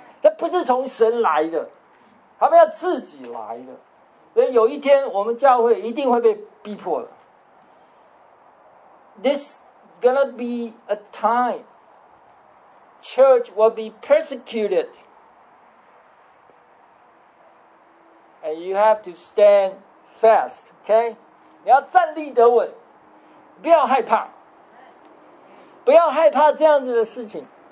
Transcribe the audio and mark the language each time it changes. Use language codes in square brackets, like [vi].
[zh] 这不是从神来的，他们要自己来的。所以有一天我们教会一定会被逼迫的。 [en] This gonna be a time church will be persecuted and you have to stand fast, okay? [zh] 你要站立得稳，不要害怕，不要害怕这样子的事情。